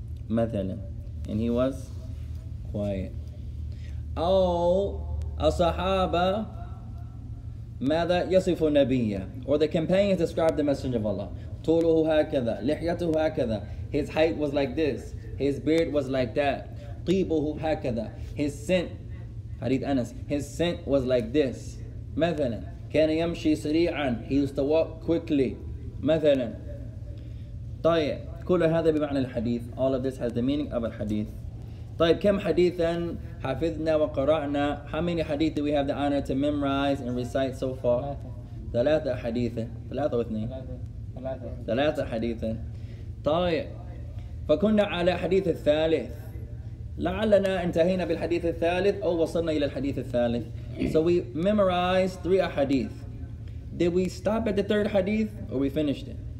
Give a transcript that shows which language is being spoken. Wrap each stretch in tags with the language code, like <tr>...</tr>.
<ar>مثلا,</ar> <en>and he was quiet.</en> <ar>أو الصحابة ماذا يصف النبي,</ar> <en>or the companions described the Messenger of Allah.</en> <ar>طوله هكذا, لحيته هكذا,</ar> <en>his height was like this, his beard was like that.</en> <ar>طيبه هكذا,</ar> <en>his scent,</en> <ar>حديث أنس,</ar> <en>his scent was like this.</en> <ar>مثلا كان يمشي سريعا,</ar> <en>he used to walk quickly.</en> <ar>مثلا طيب كل هذا بمعنى الحديث.</ar> <en>All of this has the meaning of الحديث.</en> <ar>طيب كم حديثا حفظنا وقرأنا.</ar> <en>How many hadith do we have the honor to memorize and recite so far?</en> <ar>ثلاثة حديثا. ثلاثة واثنين. ثلاثة حديثا. طيب فكنا على حديث الثالث. لعلنا انتهينا بالحديث الثالث أو وصلنا إلى الحديث الثالث.</ar> <en>So we memorized three hadith. Did we stop at the third hadith or we finished it?</en>